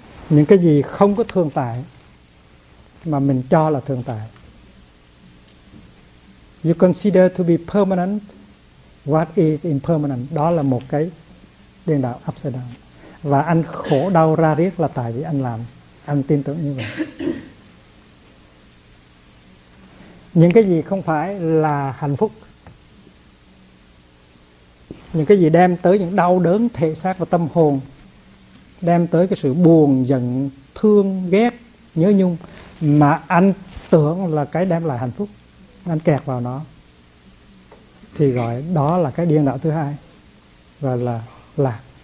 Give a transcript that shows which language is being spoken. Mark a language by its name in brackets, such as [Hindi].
[Vietnamese] Những cái gì không có thường tại mà mình cho là thường tại. [English] You consider to be permanent what is impermanent. [Vietnamese] Đó là một cái điên đảo [English] upside down. [Vietnamese] Và anh khổ đau ra riết là tại vì anh làm, anh tin tưởng như vậy. Những cái gì không phải là hạnh phúc, những cái gì đem tới những đau đớn thể xác và tâm hồn, đem tới cái sự buồn, giận, thương, ghét, nhớ nhung, mà anh tưởng là cái đem lại hạnh phúc, anh kẹt vào nó, thì gọi đó là cái điên đảo thứ hai, gọi là lạc.